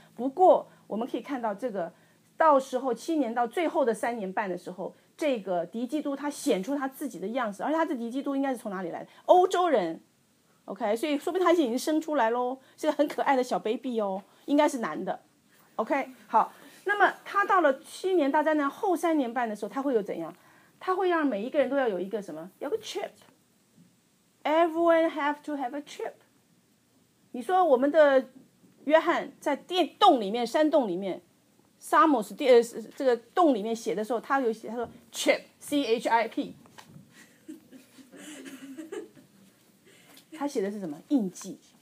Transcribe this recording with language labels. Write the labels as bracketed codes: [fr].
[zh] 不过我们可以看到这个到时候七年到最后的三年半的时候，这个敌基督他显出他自己的样子，而且他的敌基督应该是从哪里来的？欧洲人。 OK， 所以说不定他已经生出来咯，是个很可爱的小 baby 哦，应该是男的。 OK， 好，那么他到了七年大灾难后三年半的时候，他会有怎样？他会让每一个人都要有一个什么？有个 chip。 [en] Everyone have to have a chip。 [zh] 你说我们的约翰在电洞里面，山洞里面 ，Samos 这个洞里面写的时候，他有写他说 chip C H I P， 他写的是什么印记？